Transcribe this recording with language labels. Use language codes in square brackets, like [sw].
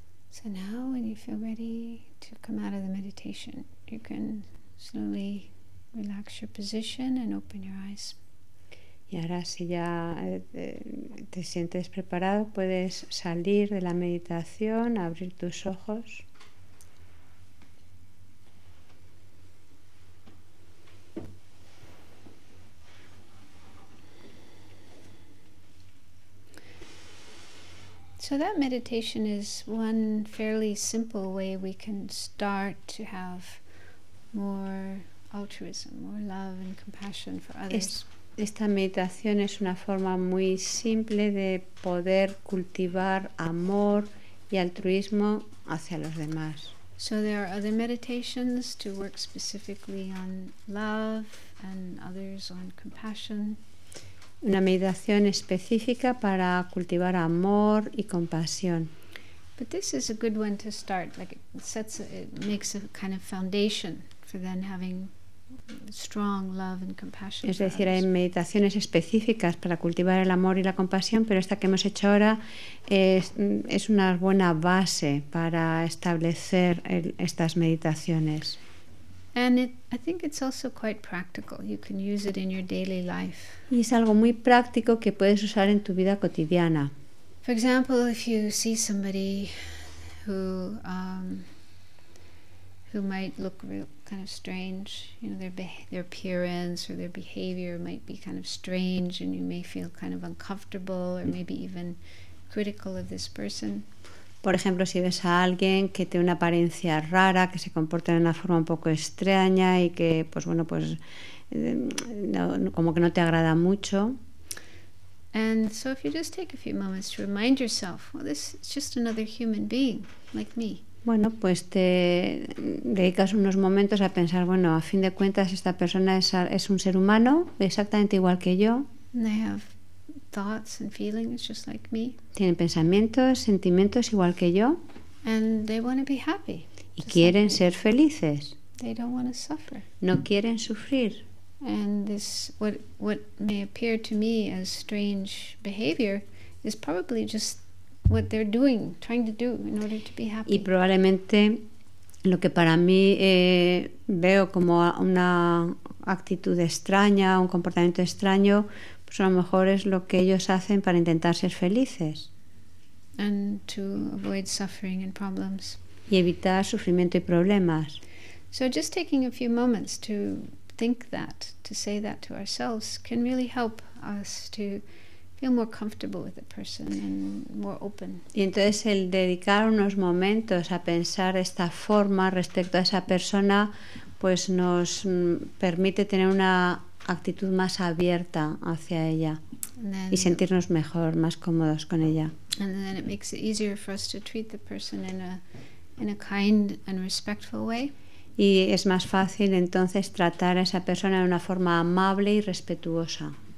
[en] So now, when you feel ready to come out of the meditation, you can slowly relax your position and open your eyes. [es] Y ahora, si ya te sientes preparado, puedes salir de la meditación, abrir tus ojos. [en] So that meditation is one fairly simple way we can start to have more altruism, more love and compassion for others. [es] Esta meditación es una forma muy simple de poder cultivar amor y altruismo hacia los demás. [en] So there are other meditations to work specifically on love and others on compassion. [es] Una meditación específica para cultivar amor y compasión. [en] But this is a good one to start, like it makes a kind of foundation for then having strong love and compassion. [es] Es decir, hay meditaciones específicas para cultivar el amor y la compasión, pero esta que hemos hecho ahora es una buena base para establecer estas meditaciones. [en] And I think it's also quite practical. You can use it in your daily life. [es] Y es algo muy práctico que puedes usar en tu vida cotidiana. [en] For example, if you see somebody who who might look real kind of strange, you know, their appearance or their behavior might be kind of strange, and you may feel kind of uncomfortable or maybe even critical of this person. [es] Por ejemplo, si ves a alguien que tiene una apariencia rara, que se comporta de una forma un poco extraña y que, pues bueno, pues no, como que no te agrada mucho. [en] And so if you just take a few moments to remind yourself, well, this is just another human being like me. [es] Bueno, pues te dedicas unos momentos a pensar, bueno, a fin de cuentas esta persona es un ser humano exactamente igual que yo. [en] And they have thoughts and feelings just like me. [es] Tienen pensamientos, sentimientos igual que yo. [en] And they want to be happy. [es] Y quieren like ser felices. [en] They don't want to suffer. [es] No quieren sufrir. [en] And this what may appear to me as strange behavior is probably just what they're doing, trying to do in order to be happy. [es] Y probablemente lo que para mí veo como una actitud extraña, un comportamiento extraño, pues a lo mejor es lo que ellos hacen para intentar ser felices. [en] And to avoid suffering and problems. [es] Y evitar sufrimiento y problemas. [en] So just taking a few moments to think that, to say that to ourselves, can really help us to feel more comfortable with the person and more open. [es] Y entonces el dedicar unos momentos a pensar de esta forma respecto a esa persona, pues nos permite tener una actitud más abierta hacia ella y sentirnos mejor, más cómodos con ella. [en] And then it makes it easier for us to treat the person in a kind and respectful way. [es] Y es más fácil entonces tratar a esa persona de una forma amable y respetuosa.